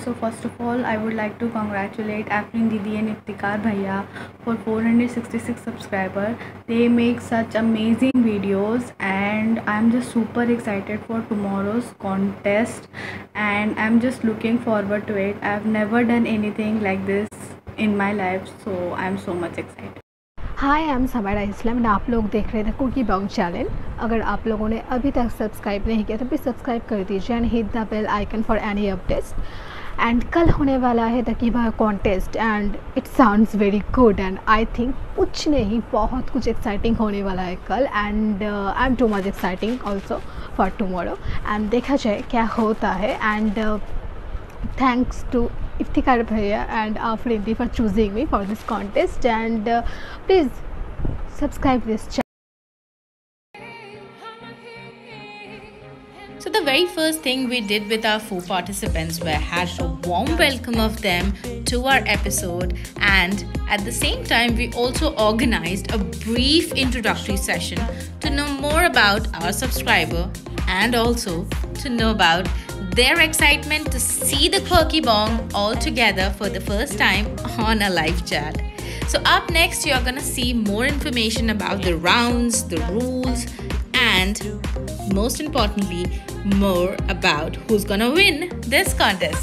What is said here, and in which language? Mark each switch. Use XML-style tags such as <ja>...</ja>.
<en>So first of all, I would like to congratulate Afreen Didi and Iftikhar Bhaiya for 466 subscribers. They make such amazing videos and I'm just super excited for tomorrow's contest and I'm just looking forward to it. I've never done anything like this in my life, so I'm so much excited. Hi, I am Samaira Islam and</en> <hi>आप लोग देख रहे थे cookie Bong channel. अगर आप लोगों ने अभी तक सब्सक्राइब नहीं किया तो प्लीज़ सब्सक्राइब कर दीजिए</hi> <en>And hit the bell icon for any updates. And</en> <hi>कल होने वाला है</hi> <en>तकी बा contest and it sounds very good and I think</en> <hi>कुछ नहीं, बहुत कुछ एक्साइटिंग होने वाला है कल</hi> <en>and I am too much exciting also for tomorrow and</en> <hi>देखा जाए क्या होता है।</hi> <en>And thanks to Iftikhar भैया and Afreen दी for choosing me for this contest and please subscribe this channel. So the very first thing we did with our four participants were had a warm welcome of them to our episode and at the same time we also organised a brief introductory session to know more about our subscriber and also to know about their excitement to see the quirky bong all together for the first time on a live chat. So up next, you're gonna see more information about the rounds, the rules, and most importantly, more about who's gonna win this contest.</en>